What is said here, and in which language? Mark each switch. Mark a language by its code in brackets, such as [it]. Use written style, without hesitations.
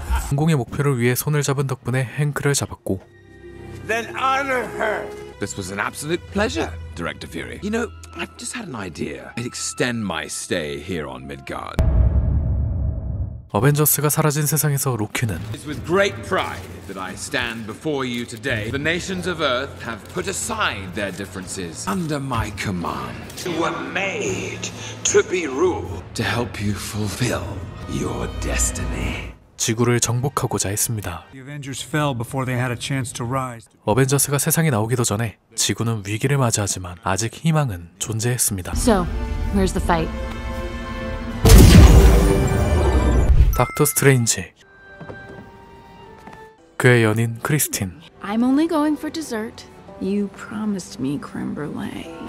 [ko] 성공의 목표를 위해 손을 잡은 덕분에 행크를 잡았고. [en] Then honor her. This was an absolute pleasure, Director Fury. You know, I've just had an idea. I'd extend my stay here on Midgard. [ko] 어벤져스가 사라진 세상에서 로키는 [en] It's with great pride that I stand before you today. The nations of Earth have put aside their differences under my command. You were made to be ruled. To help you fulfill your destiny. [ko] 지구를 정복하고자 했습니다. [en] The Avengers fell before they had a chance to rise. [ko] 어벤져스가 세상에 나오기도 전에 지구는 위기를 맞이하지만 아직 희망은 존재했습니다. [en] So, where's the fight? [ko] 닥터 스트레인지 그의 연인 크리스틴 [en] I'm only going for dessert. You promised me creme brulee.